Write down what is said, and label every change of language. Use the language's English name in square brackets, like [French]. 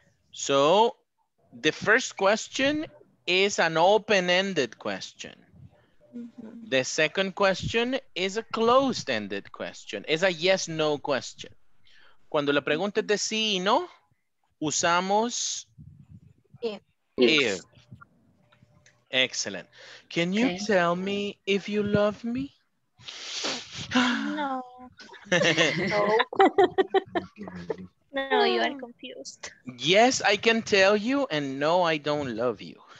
[English] So the first question is an open-ended question. The second question is a closed-ended question. [Spanish] Es [English] a yes-no question. [Spanish] Cuando la pregunta es de sí y no, usamos [English] if. Excellent. Can you tell me if you love me? No. No. No, you are confused. Yes, I can tell you, and no, I don't love you.